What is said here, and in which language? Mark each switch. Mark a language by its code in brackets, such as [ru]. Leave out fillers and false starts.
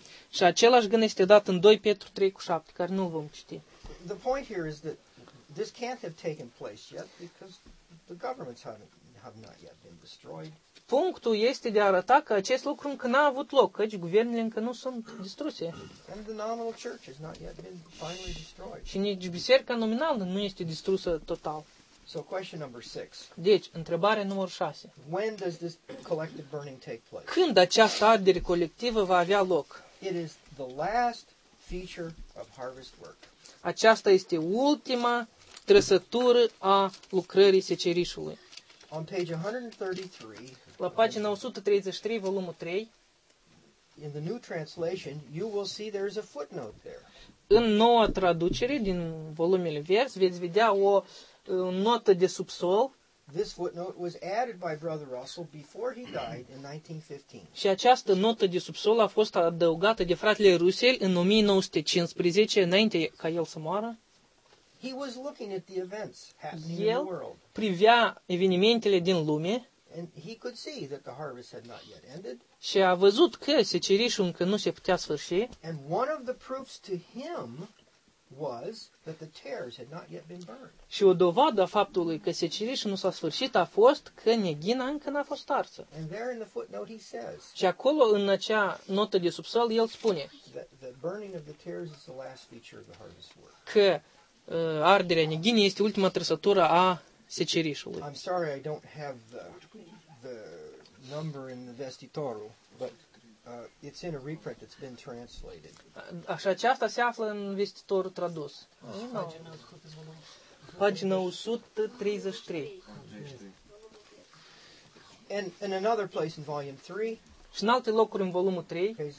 [ro] Și același gând este dat în 2 Petru 3 cu 7, care nu vom citi. [en] The point here is that this can't have taken place yet because the governments have not yet been destroyed. [ro] Punctul este de a arăta că acest lucru încă n-a avut loc, căci guvernele încă nu sunt distruse. [en] And the nominal church has not yet been finally destroyed. [ro] Și nici biserica nominală nu este distrusă total. [en] So question number six. [ro] Deci, întrebarea numărul 6. [en] When does this collective burning take place? [ro] Când această ardere colectivă va avea loc? [en] It is the last feature of harvest work. [ro] Aceasta este ultima trăsătură a lucrării secerișului. [en] On page 133, [ro] la pagina 133, volumul 3, [en] in the new translation, you will see there's a footnote there. [ro] În noua traducere din volumele vers, veți vedea o notă de subsol. [en] This footnote was added by Brother Russell before he died in 1915. [ro] Și această notă de subsol a fost adăugată de fratele Russell în 1915, înainte ca el să moară. [en] He was looking at the events happening in the world. [ro] El privea evenimentele din lume. [en] And he could see that the harvest had not yet ended. [ro] Și a văzut că secerișul încă nu se putea sfârși. [en] And one of the proofs to him was that the tares had not yet been burned. [ro] Și o dovadă a faptului că secerișul nu s-a sfârșit a fost că neghina încă n-a fost arsă. [en] And there in the footnote he says. [ro] Și acolo în acea notă de subsol el spune. [en] The burning of the tares is the last feature of the harvest work. [ro] Că arderea neghinii este ultima trăsătură a secerișului. [en] I'm sorry I don't have the number in the vestitorul, but it's in a reprint that's been translated. [ro] Așa, aceasta se află în vestitorul tradus. Pagina 133. [en] And another place in volume 3. [ro] Și în alte locuri în volumul 3,